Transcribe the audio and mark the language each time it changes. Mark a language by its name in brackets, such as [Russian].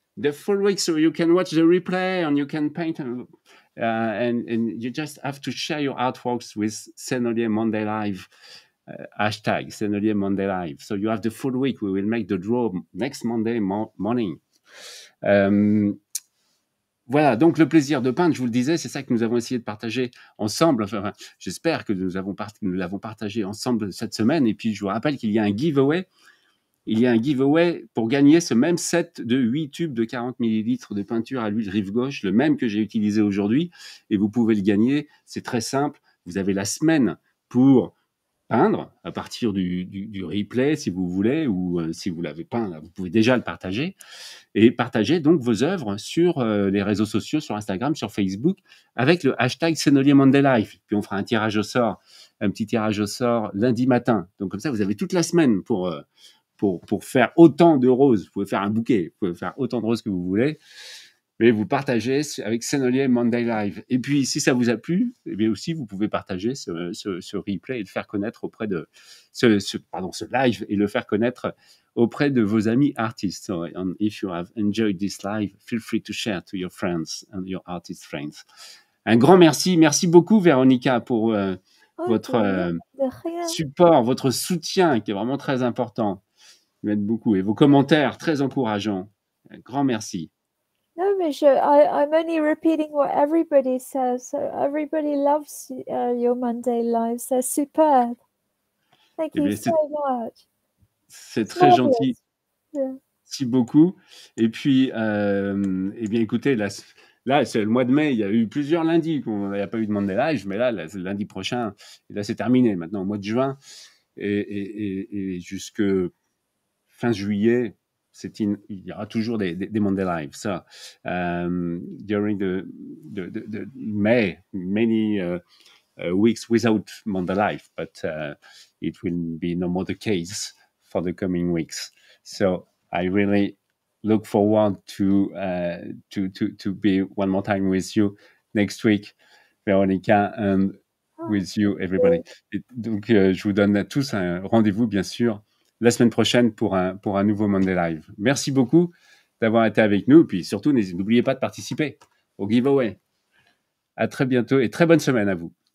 [English] The full week, so you can watch the replay and you can paint. And you just have to share your artworks with Sennelier Monday Live, hashtag Sennelier Monday Live. So you have the full week. We will make the draw next Monday morning. [French] Voilà, donc le plaisir de peindre, je vous le disais, c'est ça que nous avons essayé de partager ensemble. Enfin, j'espère que nous l'avons partagé ensemble cette semaine. Et puis, je vous rappelle qu'il y a un giveaway. Il y a un giveaway pour gagner ce même set de 8 tubes de 40 ml de peinture à l'huile rive gauche, le même que j'ai utilisé aujourd'hui. Et vous pouvez le gagner. C'est très simple. Vous avez la semaine pour peindre à partir du replay, si vous voulez, ou si vous l'avez peint, là, vous pouvez déjà le partager. Et partagez donc vos œuvres sur les réseaux sociaux, sur Instagram, sur Facebook, avec le hashtag Sennelier Monday Life. Puis on fera un petit tirage au sort lundi matin. Donc comme ça, vous avez toute la semaine pour faire autant de roses. Vous pouvez faire un bouquet, vous pouvez faire autant de roses que vous voulez, mais vous partagez avec Sennelier Monday Live. Et puis, si ça vous a plu, eh bien aussi, vous pouvez partager ce replay et le faire connaître auprès de ce live et le faire connaître auprès de vos amis artistes. [English] So, and if you have enjoyed this live, feel free to share to your friends and your artist friends. [French] Un grand merci. Merci beaucoup, Véronica, pour votre support, votre soutien qui est vraiment très important. M'aide beaucoup et vos commentaires très encourageants. Un grand merci. [English] No, Monsieur, I'm only repeating what everybody says. Everybody loves your Monday lives. They're superb. Thank you so much. [French] C'est très gentil. Merci beaucoup. Et puis, écoutez, là, c'est le mois de mai. Il y a eu plusieurs lundis qu'on n'y a pas eu de Monday live, mais là c'est lundi prochain. Et là, c'est terminé. Maintenant, au mois de juin et jusque fin juillet, il y aura toujours des Monday Live. [English] So, during the May, many weeks without Monday Live, but it will be no more the case for the coming weeks. So I really look forward to be one more time with you next week, Veronica, and with you, everybody. [French] Et donc, je vous donne à tous un rendez-vous, bien sûr, la semaine prochaine pour un nouveau Monday Live. Merci beaucoup d'avoir été avec nous. Puis surtout, n'oubliez pas de participer au giveaway. À très bientôt et très bonne semaine à vous.